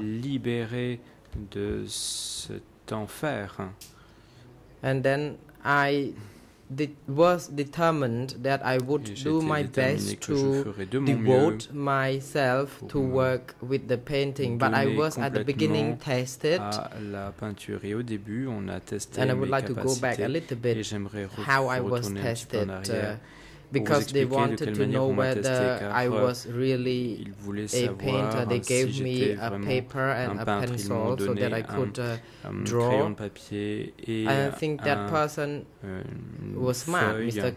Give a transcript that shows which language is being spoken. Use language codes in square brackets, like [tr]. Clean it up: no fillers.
[fr] Libéré de cet enfer. [en] And then I was determined that I would do my best to devote myself to work with the painting. But I was at the beginning tested. [fr] À la peinture et au début, on a testé [en] and I would like to go back a little bit how I was tested. Because they wanted to know whether I was really a painter. They gave [fr] si [en] me a paper and a pencil so that I could draw. I think that person was smart, Mr.